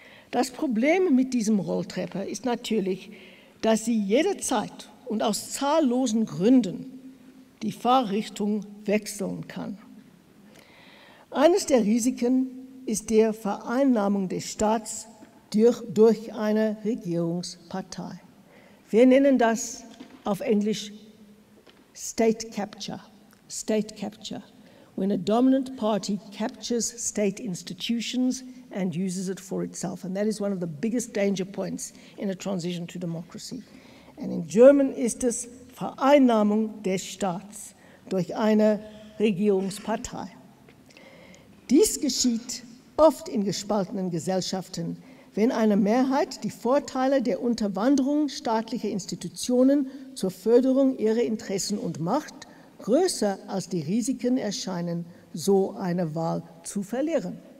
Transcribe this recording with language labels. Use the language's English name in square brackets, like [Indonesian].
[German] Das Problem mit diesem Rolltreppe ist natürlich, dass sie jederzeit und aus zahllosen Gründen die Fahrrichtung wechseln kann. Eines der Risiken ist die Vereinnahmung des Staats durch eine Regierungspartei. Wir nennen das auf Englisch State Capture. [English] State Capture. When a dominant party captures state institutions and uses it for itself. And that is one of the biggest danger points in a transition to democracy. And in German [German] ist es Vereinnahmung des Staats durch eine Regierungspartei. Dies geschieht oft in gespaltenen Gesellschaften, wenn eine Mehrheit die Vorteile der Unterwanderung staatlicher Institutionen zur Förderung ihrer Interessen und Macht größer als die Risiken erscheinen, so eine Wahl zu verlieren.